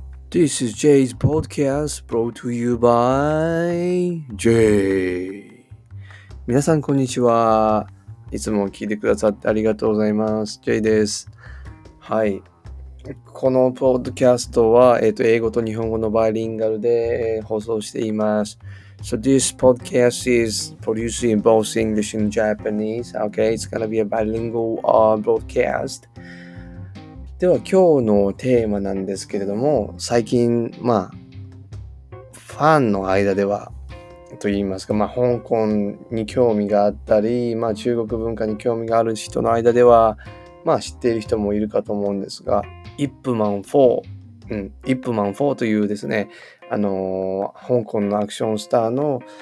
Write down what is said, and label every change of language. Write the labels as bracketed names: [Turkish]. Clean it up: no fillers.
[English] This is Jay's podcast brought to you by Jay. [Japanese] 皆さんこんにちは。いつも聞いてくださってありがとうございます。 Jay です。はい。このポッドキャストは、英語と日本語のバイリンガルで放送しています。 [English] So this podcast is produced in both English and Japanese. Okay, it's gonna be a bilingual broadcast. [Japanese] では今日のテーマなんですけれども、最近まあファンの間ではといいますか、まあ香港に興味があったり、まあ中国文化に興味がある人の間ではまあ知っている人もいるかと思うんですが、イップマン4、イップマン4というですね、香港のアクションスターの